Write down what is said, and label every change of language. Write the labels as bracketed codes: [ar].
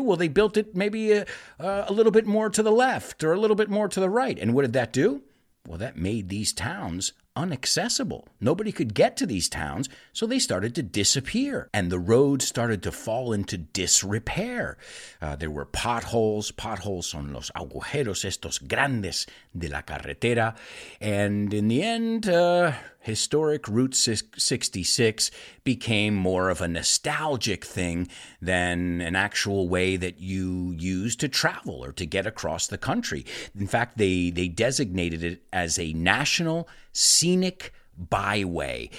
[en] Well, they built it maybe a little bit more to the left or a little bit more to the right. And what did that do? Well, that made these towns unaccessible. Nobody could get to these towns, so they started to disappear. And the roads started to fall into disrepair. There were potholes. [es] Potholes son los agujeros estos grandes de la carretera. [en] And in the end, historic Route 66 became more of a nostalgic thing than an actual way that you use to travel or to get across the country. In fact, they designated it as a national scenic byway.